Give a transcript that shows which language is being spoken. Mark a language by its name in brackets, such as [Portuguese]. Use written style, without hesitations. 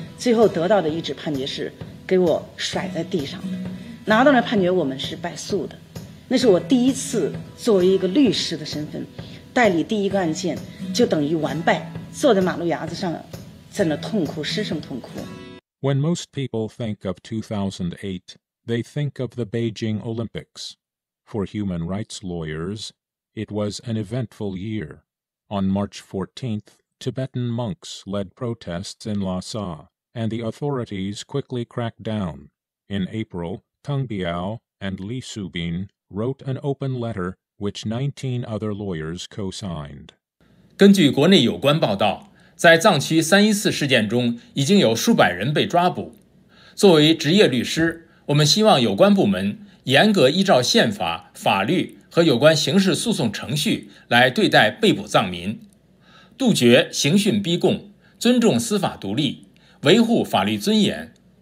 [Chinese] 最后得到的一纸判决是给我甩在地上的，拿到那判决我们是败诉的。那是我第一次作为一个律师的身份代理第一个案件，就等于完败，坐在马路牙子上在那痛哭，失声痛哭。 [English] When most people think of 2008, they think of the Beijing Olympics. For human rights lawyers, it was an eventful year. On March 14th, Tibetan monks led protests in Lhasa, and the authorities quickly cracked down. In April, Teng Biao and Li Subin wrote an open letter which 19 other lawyers co-signed. [Chinese] 根据国内有关报道，在藏区314事件中已经有数百人被抓捕。作为职业律师，我们希望有关部门严格依照宪法、法律和有关刑事诉讼程序来对待被捕藏民，杜绝刑讯逼供，尊重司法独立，维护法律尊严。